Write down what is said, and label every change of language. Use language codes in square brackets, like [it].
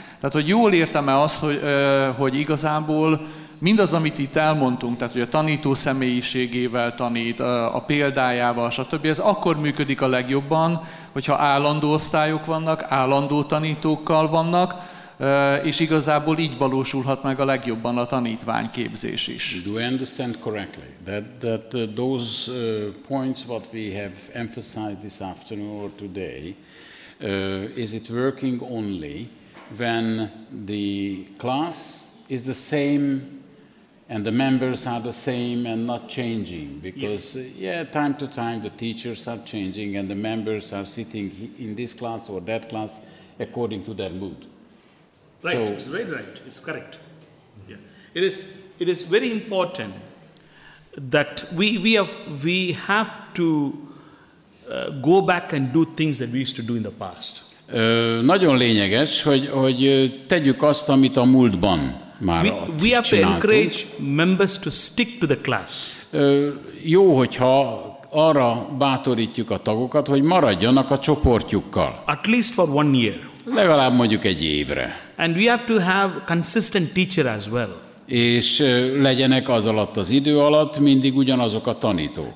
[hu] Tehát, hogy jól értem-e azt, hogy igazából mindaz, amit itt elmondtunk, tehát hogy a tanító személyiségével tanít, a példájával, stb. Ez akkor működik a legjobban, hogyha állandó osztályok vannak, állandó tanítókkal vannak, és igazából így valósulhat meg a legjobban a tanítványképzés is. [en] Do I understand correctly that those points what we have emphasized this afternoon or today, is it working only when the class is the same and the members are the same and not changing, because yes. Yeah, time to time the teachers are changing and the members are sitting in this class or that class according to their mood. Right, so, it's very right, it's correct. Yeah, it is very important that we have to go back and do things that we used to do in the past. [hu] Nagyon lényeges, hogy tegyük azt, amit a múltban már ott csináltunk. [en] We have to encourage members to stick to the class. [hu] Jó, hogyha arra bátorítjuk a tagokat, hogy maradjanak a csoportjukkal. [en] At least for 1 year. [hu] Legalább mondjuk egy évre. [en] And we have to have consistent teacher as well. [hu] És legyenek az alatt az idő alatt mindig ugyanazok a tanítók.